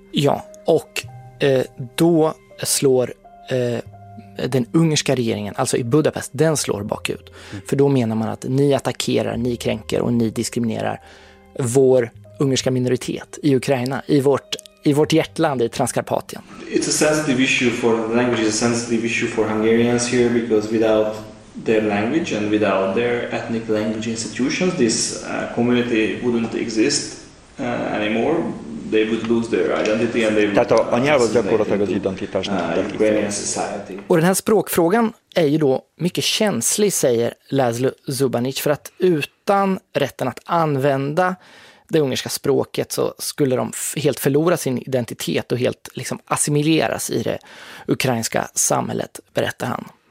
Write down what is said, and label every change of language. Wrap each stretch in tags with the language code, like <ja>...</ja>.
<sv>Ja, och då slår den ungerska regeringen, alltså i Budapest, den slår bakut. Mm. För då menar man att ni attackerar, ni kränker och ni diskriminerar vår ungerska minoritet i Ukraina, i vårt hjärtland, i Transkarpatien.</sv> <en>It's a sensitive issue for language, it's a sensitive issue for Hungarians here, because without their language and without their ethnic language institutions, this community wouldn't exist anymore. They would lose their identity and they would assimilate.</en> <sv>Och den här språkfrågan är ju då mycket känslig, säger Laszlo Zubanić, för att utan rätten att använda det ungerska språket så skulle de helt förlora sin identitet och helt liksom assimileras i det ukrainska samhället, berättar han.</sv>